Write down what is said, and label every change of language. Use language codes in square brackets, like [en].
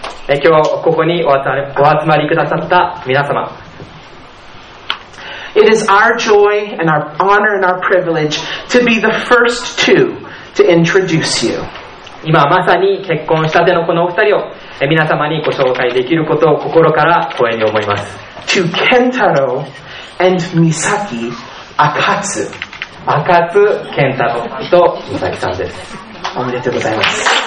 [ja] 今日ここにお集まりくださった皆様。 [en] It is our joy and our honor and our privilege to be the first two to introduce you. [ja] 今まさに結婚したてのこのお二人を皆様にご紹介できることを心から光栄に思います。 [en] To Kentaro and Misaki Akatsu. [ja] 赤津健太郎さんと美咲さんです。おめでとうございます。